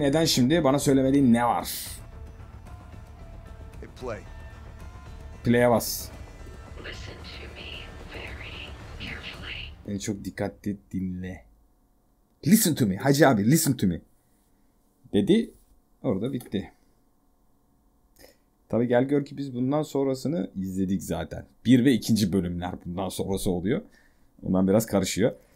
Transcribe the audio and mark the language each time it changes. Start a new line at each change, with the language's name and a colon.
Turkish: Neden şimdi bana söylemediğin ne var?
English: Hey, play.
Turkish: Play'e bas.
English: Listen to me very carefully.
Turkish: Beni çok dikkatli dinle.
English: Listen to me. Hacı abi, listen to me.
Turkish: Dedi. Orada bitti. Tabii gel gör ki biz bundan sonrasını izledik zaten. 1 ve 2. bölümler bundan sonrası oluyor. Ondan biraz karışıyor.